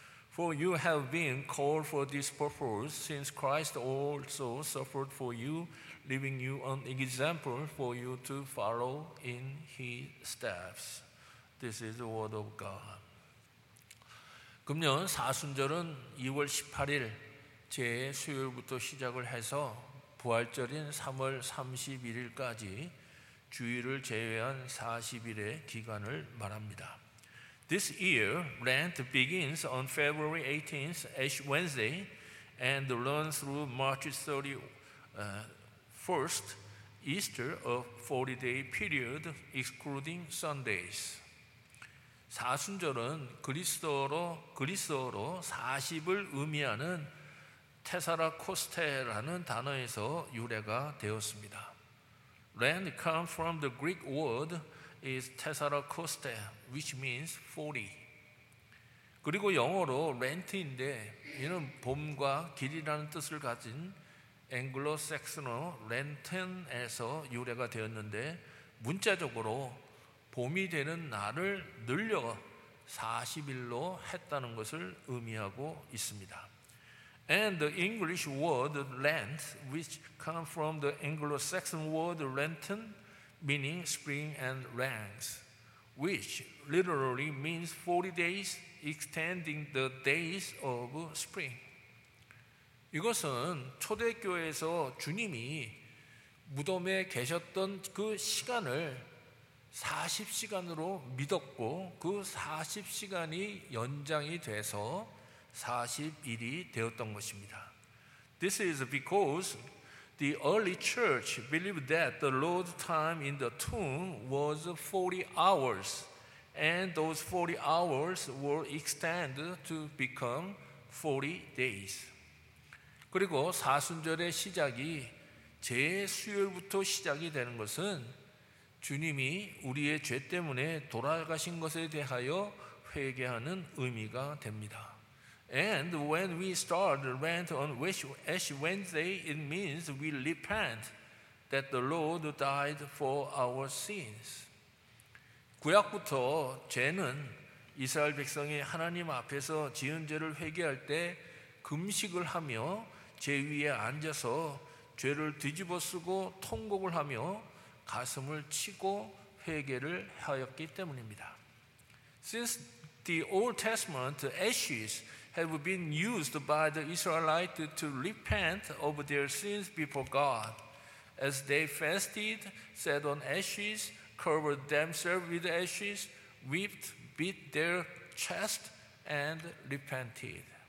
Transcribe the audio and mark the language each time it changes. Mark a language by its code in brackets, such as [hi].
[en] For you have been called for this purpose, since Christ also suffered for you, leaving you an example for you to follow in his steps. This is the word of God. [ko] 금년 사순절은 2월 18일 제 수요일부터 시작을 해서 부활절인 3월 31일까지 주일을 제외한 40일의 기간을 말합니다. [en] This year, Lent begins on February 18th, Ash Wednesday, and runs through March 31st, Easter, a 40-day period, excluding Sundays. [ko] 사순절은 그리스어로 40을 의미하는 테사라코스테라는 단어에서 유래가 되었습니다. [en] Lent comes from the Greek word is tesarakoste, which means 40. [ko] 그리고 영어로 Lent인데 이는 봄과 길이라는 뜻을 가진 앵글로색슨어 Lenten에서 유래가 되었는데 문자적으로 봄이 되는 날을 늘려 40일로 했다는 것을 의미하고 있습니다. [en] And the English word Lent, which comes from the Anglo-Saxon word Lenten, meaning spring and rains, which literally means 40 days, extending the days of spring. [ko] 이것은 초대교회에서 주님이 무덤에 계셨던 그 시간을 40시간으로 믿었고 그 40시간이 연장이 돼서 40일이 되었던 것입니다. [en] This is because the early church believed that the Lord's time in the tomb was 40 hours, and those 40 hours were extended to become 40 days. [ko] 그리고 사순절의 시작이 제 수요일부터 시작이 되는 것은 주님이 우리의 죄 때문에 돌아가신 것에 대하여 회개하는 의미가 됩니다. [en] And when we start Lent on Ash Wednesday, it means we repent that the Lord died for our sins. [ko] 구약부터 죄는 이스라엘 백성이 하나님 앞에서 지은 죄를 회개할 때 금식을 하며 제 위에 앉아서 죄를 뒤집어쓰고 통곡을 하며 가슴을 치고 회개를 하였기 때문입니다. [en] Since the Old Testament ashes have been used by the Israelites to repent of their sins before God. As they fasted, sat on ashes, covered themselves with ashes, wept, beat their chest, and repented.